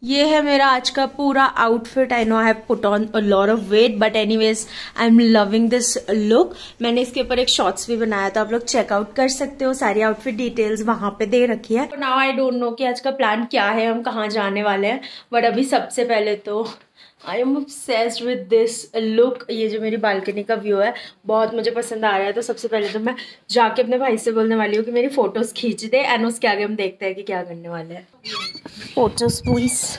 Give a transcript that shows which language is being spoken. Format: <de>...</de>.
<hi>ये है मेरा आज का पूरा outfit.</hi> <en>I know I have put on a lot of weight, but anyways, I'm loving this look.</en> <hi>मैंने इसके ऊपर एक shorts भी बनाया था, आप लोग checkout कर सकते हो, सारी outfit details वहाँ पे दे रखी है।</hi> <en>Now I don't know</en> <hi>कि आज का plan क्या है, हम कहाँ जाने वाले हैं, but अभी सबसे पहले तो</hi> <en>I am obsessed with this look.</en> <hi>ये जो मेरी बालकनी का व्यू है बहुत मुझे पसंद आ रहा है, तो सबसे पहले तो मैं जाके अपने भाई से बोलने वाली हूँ कि मेरी फोटोज खींच दे एंड उसके आगे हम देखते हैं कि क्या करने वाले हैं। Photos please.</hi>